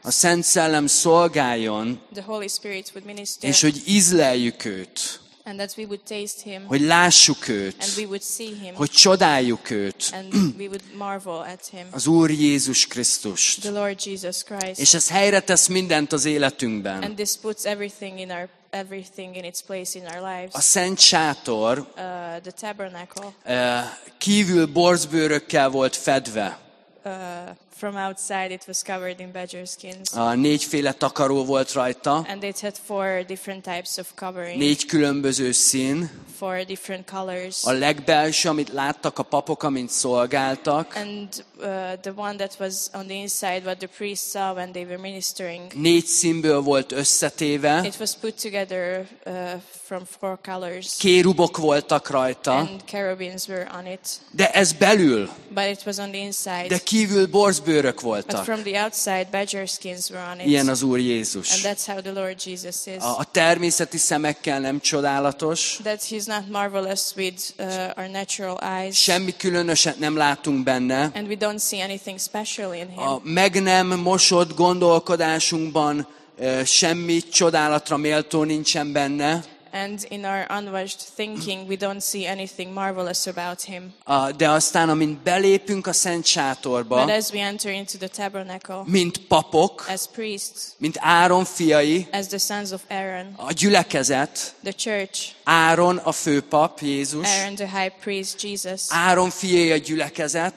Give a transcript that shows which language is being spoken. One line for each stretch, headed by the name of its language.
Hungarian: a Szent Szellem szolgáljon,
English: the Holy Spirit would minister,
Hungarian: és hogy ízleljük őt,
English: and that we would taste him,
Hungarian: hogy lássuk őt,
English: and we would see him,
Hungarian: hogy csodáljuk őt,
English: and we would marvel at him,
Hungarian: az Úr Jézus Krisztust.
English: The Lord Jesus Christ.
Hungarian: És ez helyre tesz mindent az életünkben.
English: And this puts everything in our everything in its place in our lives.
Hungarian: A szent sátor
English: the tabernacle,
Hungarian: kívül borzbőrökkel volt fedve.
English: From outside it was covered in badger skins.
Hungarian: A négyféle takaró volt rajta.
English: And it had four different types of covering.
Hungarian: Négy különböző szín.
English: Four different colors.
Hungarian: A legbelső, amit láttak a papok, amint szolgáltak.
English: And the one that was on the inside, what the priests saw when they were ministering.
Hungarian: Négy színből volt összetéve.
English: It was put together from four colors.
Hungarian: Kérubok voltak rajta.
English: And cherubims were on it.
Hungarian: De ez belül.
English: But it was on the inside.
Hungarian: De kívül borzbőrök voltak.
English: But from the outside, badger skins were on it.
Hungarian: Ilyen az Úr Jézus.
English: And that's how the Lord Jesus is.
Hungarian: A természeti szemekkel nem csodálatos.
English: That he's not marvelous with our natural eyes.
Hungarian: Semmi különöset nem látunk benne.
English: And we don't see anything special in him.
Hungarian: A meg nem mosott gondolkodásunkban semmi csodálatra méltó nincsen benne.
English: and in our unwashed thinking we don't see anything marvelous about him.
Hungarian: De aztán, amint belépünk a szent sátorba,
English: but as we enter into the tabernacle,
Hungarian: mint papok,
English: as priests,
Hungarian: mint Áron fiai,
English: as the sons of Aaron,
Hungarian: a gyülekezet,
English: the church,
Hungarian: Áron a főpap, Jézus,
English: Aaron the high priest, Jesus,
Hungarian: Áron fiai a gyülekezet,